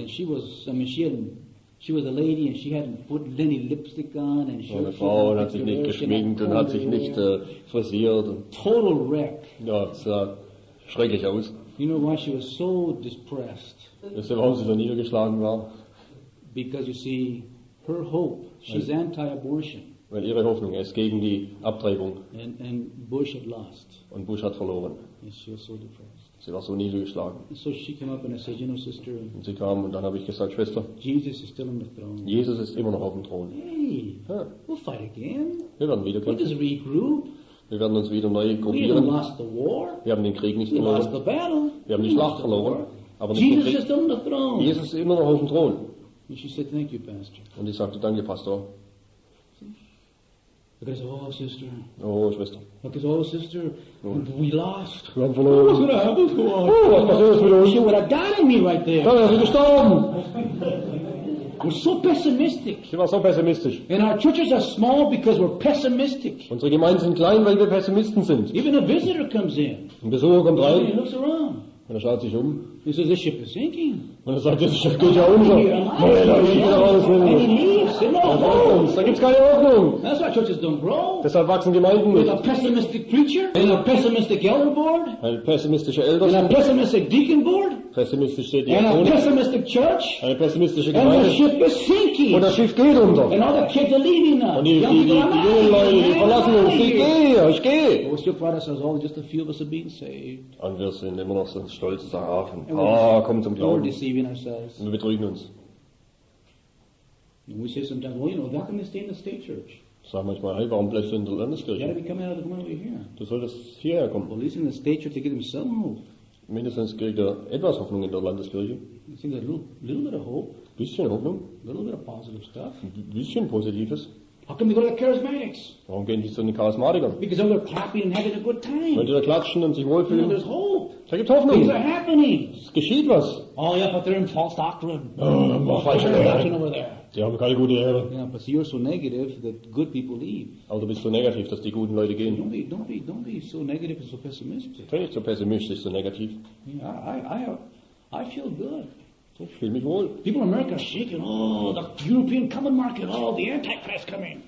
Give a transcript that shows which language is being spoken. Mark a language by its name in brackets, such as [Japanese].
[English] And she was, I mean, she was a lady and she hadn't put any lipstick on. And she [German] eine Frau und hat sich nicht geschminkt und hat sich nicht frisiert. [English] Total wreck. [German] Ja, sah schrecklich aus. [English] You know why she was so depressed? [German] Weißt du, warum sie so niedergeschlagen war? [English] Because you see, her hope, she's anti-abortion. [German] Weil ihre Hoffnung ist gegen die Abtreibung. [English] And Bush had lost. [German] Und Bush hat verloren. [English] And she was so depressed. [German] Sie war so niedergeschlagen. [English] And so she came up and I said, you know, sister. [German] Und sie kam und dann habe ich gesagt, Schwester. [English] Jesus is still on the throne. [German] Jesus ist immer noch auf dem Thron. [English] Hey, we'll fight again. [German] Wir werden wieder kämpfen. [English] We'll just regroup. [German] Wir werden uns wieder neu gruppieren. Wir haben den Krieg nicht verloren. Wir haben die Schlacht verloren. Aber nicht Jesus, den Krieg. [English] Is on the throne. [German] Jesus ist immer noch auf dem Thron. [English] And she said, thank you, Pastor. [German] Und ich sagte, danke, Pastor. [English] Said, [German] oh, Schwester. [English] Oh, Sister. We lost. [German] Wir haben verloren. [English] What's going to happen to us? [German] Oh, was passiert? [English] She would have died on me right there. [German] Dann ist er gestorben. [English] We're so pessimistic. [German] Sie war so pessimistisch. [English] And our churches are small because we're pessimistic. [German] Unsere Gemeinden sind klein, weil wir Pessimisten sind. [English] Even a visitor comes in. [German] Ein Besucher kommt rein. [English] He looks around. [German] Und er schaut sich um. [English] He says, this ship is sinking. [German] Und er sagt, das Schiff geht ja unter. [English] And he leaves. No, no. [German] Ordnung. Da gibt's keine Ordnung. [English] That's why churches don't grow. [German] Deshalb wachsen Gemeinden nicht. [English] With a pessimistic preacher. In a pessimistic elder board. [German] Ein pessimistischer Elder. [English] In a pessimistic deacon board. [German] Pessimistische Diakone. [English] In a pessimistic church. [German] Eine pessimistische Gemeinde. [English] And the ship is sinking. [German] Und das Schiff geht unter. [English] And all the kids are leaving us. [German] Und die jungen Leute, die verlassen uns. Ich gehe, ich gehe. [English] But still proud of us all, just a few of us are being saved. [German] Und wir sind immer noch so stolz, sagen, ach, ein paar kommen zum Glauben. [English] We're deceiving ourselves. [German] Und wir betrügen uns. [English] And we say sometimes, well, you know, how can they stay in the state church? [German] Sag manchmal, hey, warum bleibst du in der Landeskirche? [English] Yeah, come out of the way over here. [German] Du solltest hierher kommen. [English] Well, at least in the state church, they give them some hope. [German] Mindestens kriegt er etwas Hoffnung in der Landeskirche. [English] I think a little bit of hope. [German] Bisschen Hoffnung. [English] A little bit of positive stuff. [German] Bisschen Positives. [English] How come they go to the Charismatics? [German] Warum gehen die zu den Charismatikern? [English] Because they're clapping and having a good time. [German] Weil die da klatschen und sich wohlfühlen. [English] You know, there's hope. [German] Da gibt's Hoffnung. [English] Things are happening. [German] Es geschieht was. [English] Oh, yeah, but they're in false doctrine. [German] Oh, falsche [English] Doctrine over there. [German] Die haben keine gute Lehre. [English] Yeah, but you're so negative that good people leave. [German] Aber du bist so negativ, dass die guten Leute gehen. [English] Don't be so negative and so pessimistic. [German] Sei nicht so pessimistisch, so negativ. [English] I feel good. [German] Ich fühle mich wohl. [English] People in America are shaking. Oh, the European Common Market. Oh, the Antichrist coming.